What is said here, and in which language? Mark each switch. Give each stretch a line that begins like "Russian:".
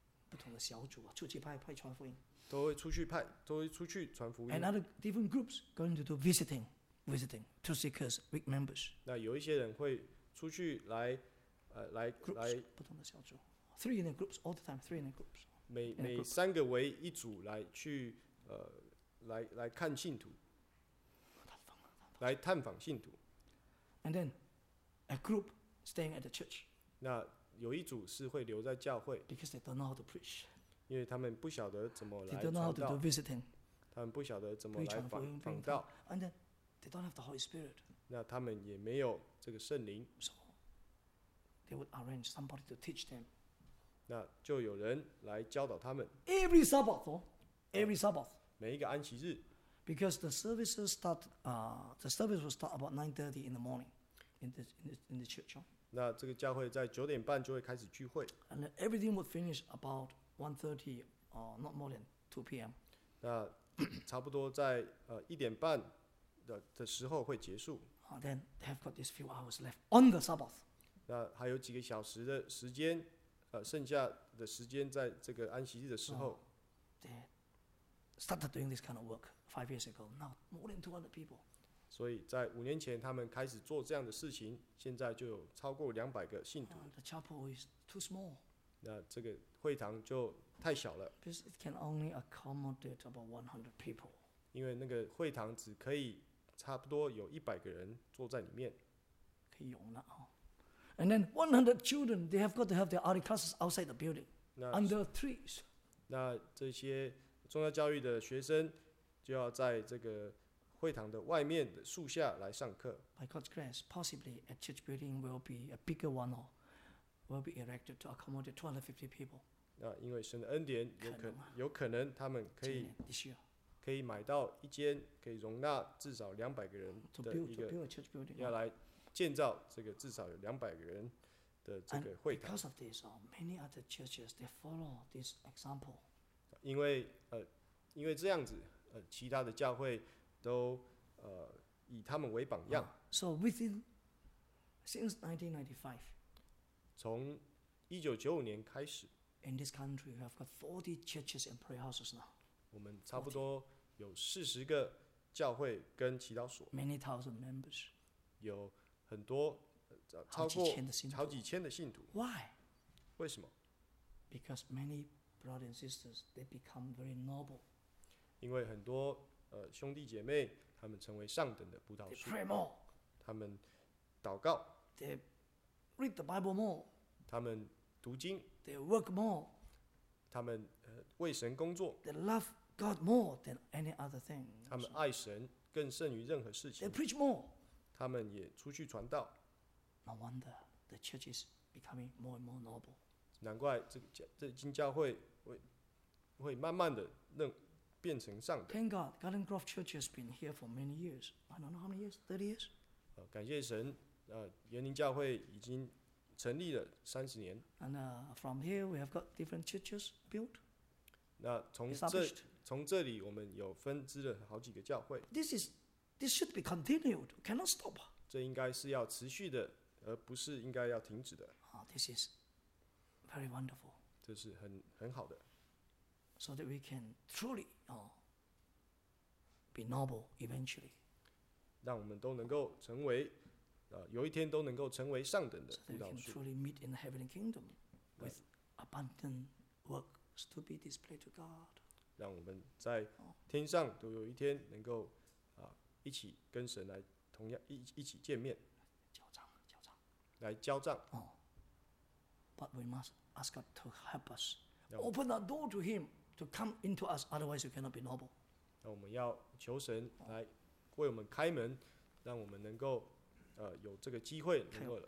Chinese: 不同的小组啊，出去派传福音，都会出去传福音。
English: And other different groups going to do visiting to seekers, weak members.
Chinese: 那有一些人会出去来来
English: groups,
Chinese: 来不同的小组 ，
English: three in the groups
Chinese: all the time, three in the groups. 每三个为一组来去来看信徒，来探访信徒。
English: And then a group staying at the church.
Chinese: 那有一组是会留在教会
English: ，because they don't know how to preach.
Chinese: 因为他们不晓得怎么来传道。
English: They don't know how to do visiting.
Chinese: 他们不晓得怎么来访道。
English: And then they don't have the Holy Spirit.
Chinese: 那他们也没有这个圣灵。
English: So they would arrange somebody to teach them.
Chinese: 那就有人来教导他们。
English: Every Sabbath, though, every Sabbath.
Chinese: 每一个安息日。
English: Because the services start, the service will start about 9:30 in the morning, in the church.
Chinese: 那这个教会在九点半就会开始聚会。
English: And everything would finish about 1:30, or not more than 2 p.m.
Chinese: 那差不多在一点半的时候会结束。
English: Then they have got these few hours left on the Sabbath.
Chinese: 那还有几个小时的时间，剩下的时间在这个安息日的时候。
English: They started doing this kind of work. 5 years ago, now more than 200 people.
Chinese: 所以在五年前，他们开始做这样的事情，现在就有超过200个信徒。
English: The chapel is too small.
Chinese: 那这个会堂就太小了。
English: Because it can only accommodate about 100 people.
Chinese: 因为那个会堂只可以差不多有100个人坐在里面。可以容纳哦。
English: And then 100 children, they have got to have their art classes outside the building, under trees.
Chinese: 那这些重要教育的学生。就要在这个会堂的外面的树下来上课。
English: By God's grace, possibly a church building will be a bigger one or will be erected to accommodate 250 people.
Chinese: 那因为神的恩典，有可能他们可以
English: this year,
Chinese: 可以买到一间可以容纳至少200个人的一个
English: to build a church building,
Chinese: 要来建造这个至少有200个人的这个会堂。
English: And because of this, many other churches they follow this example.
Chinese: 因为这样子。其他的教会都以他们为榜样。
English: So within since 1995,
Chinese: 从1995年开始
English: ，in this country we have got 40 churches and prayer houses now.
Chinese: 我们差不多有40个教会跟祈祷所。
English: Many thousand members.
Chinese: 有很多超过好几千的信徒。
English: Why?
Chinese: 为什么
English: ？Because many brothers and sisters they become very noble.
Chinese: 因为很多兄弟姐妹，他们成为上等的葡萄树。
English: They pray more.
Chinese: 他们祷告。
English: They read the Bible more.
Chinese: 他们读经。
English: They work more.
Chinese: 他们为神工作。
English: They love God more than any other thing.
Chinese: 他们爱神更胜于任何事情。
English: They preach more.
Chinese: 他们也出去传道。
English: No wonder the church is becoming more and more noble.
Chinese: 难怪这个教会会慢慢的认。变成上等。
English: Thank God, Garden Grove Church has been here for many years. I don't know how many years, 30 years.
Chinese: 感谢神，园林教会已经成立了30年。
English: And from here, we have got different churches built.
Chinese: 那从这里，我们有分支了好几个教会。
English: This should be continued, cannot stop.
Chinese: 这应该是要持续的，而不是应该要停止的。
English: This is very wonderful.
Chinese: 这是很好的。
English: So that we can truly be noble eventually.
Chinese: 让我们都能够成为，有一天都能够成为上等的葡萄树。
English: So that we can truly meet in the heavenly kingdom with abundant works to be displayed to God.
Chinese: 让我们在天上都有一天能够一起跟神来同样一起见面。交账。来交账。
English: But we must ask God to help us open the door to Him. To come into us, otherwise you cannot be noble.
Chinese: 那我们要求神来为我们开门，让我们能够有这个机会能够